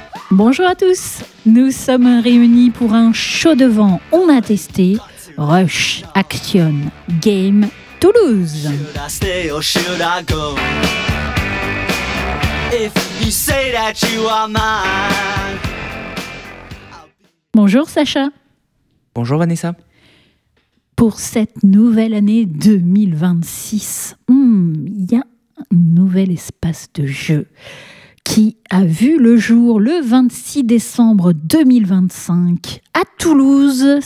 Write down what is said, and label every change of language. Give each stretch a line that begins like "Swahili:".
French: Bonjour à tous, nous sommes réunis pour un show de vent. On a testé Rush Action Game Toulouse.
English: Should I stay or should I go? If you say that you are mine.
French: Bonjour Sacha. Bonjour Vanessa. Pour cette nouvelle année 2026, il y a un nouvel espace de jeu qui a vu le jour le 26 décembre 2025 à Toulouse.